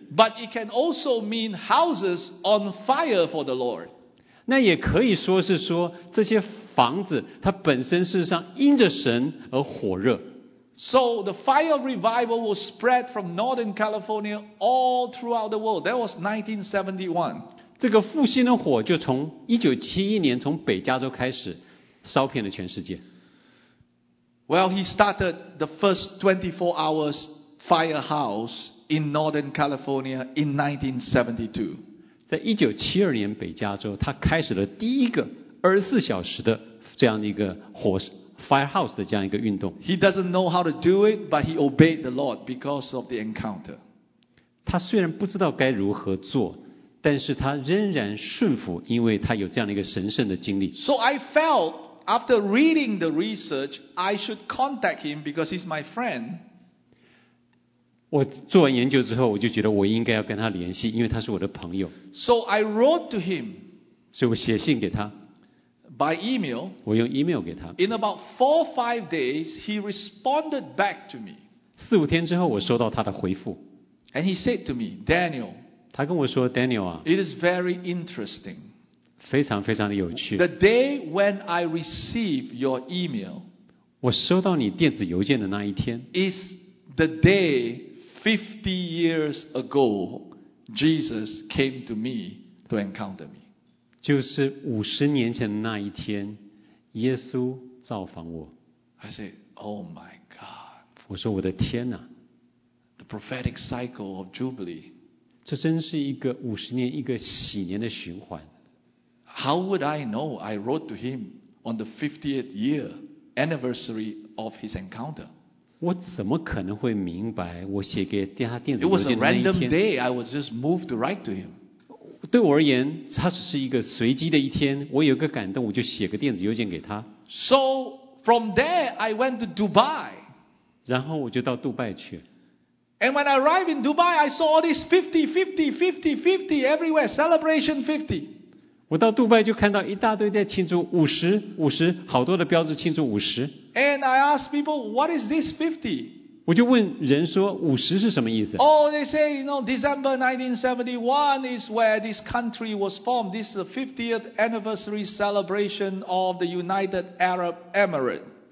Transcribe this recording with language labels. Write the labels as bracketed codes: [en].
[en] But it can also mean houses on fire for the Lord。 [zh] 那也可以说是说这些房子它本身事实上因着神而火热。 [en] So the fire of revival will spread from Northern California all throughout the world. That was 1971。 [zh] 这个复兴的火就从1971年从北加州开始烧遍了全世界。 [en] Well, he started the first 24 hours firehouse in Northern California in 1972. [zh] 在1972年北加州，他开始了第一个24小时的这样一个火 firehouse 的这样一个运动。 [en] He doesn't know how to do it, but he obeyed the Lord because of the encounter. [zh] 他虽然不知道该如何做，但是他仍然顺服，因为他有这样一个神圣的经历。 [en] So I felt. After reading the research, I should contact him because he's my friend. [zh] 我做完研究之后，我就觉得我应该要跟他联系，因为他是我的朋友。 [en] So I wrote to him. [zh] 所以我写信给他。 [en] By email. [zh] 我用 email 给他。 [en] In about 4-5 days, he responded back to me. [zh] 四五天之后，我收到他的回复。 [en] And he said to me, Daniel. [zh] 他跟我说 ，Daniel 啊。 [en] It is very interesting. [zh] 非常非常的有趣。 [en] The day when I receive your email, [zh] 我收到你电子邮件的那一天 [en] is the day 50 years ago Jesus came to me to encounter me. [zh] 就是五十年前的那一天，耶稣造访我。 [en] I said, Oh my God. [zh] 我说我的天哪。 [en] The prophetic cycle of Jubilee. [zh] 这真是一个五十年一个喜年的循环。 [en] How would I know I wrote to him on the 50th year anniversary of his encounter? [zh] 我怎么可能会明白我写给他电子邮件的那一天。 [en] It was a random day, I was just moved to write to him. [zh] 对我而言，他只是一个随机的一天，我有个感动，我就写个电子邮件给他。 [en] So, from there, I went to Dubai. [zh] 然后我就到杜拜去。 [en] And when I arrived in Dubai, I saw all these 50, 50, 50, 50 everywhere, celebration 50. [zh] 我到杜拜就看到一大堆在庆祝50, 50, 好多的标志庆祝50。 [en] And I asked people, what is this 50? [zh] 我就问人说50是什么意思？ [en] Oh, they say, you know, December 1971 is where this country was formed. This is the 50th anniversary celebration of the United Arab Emirates.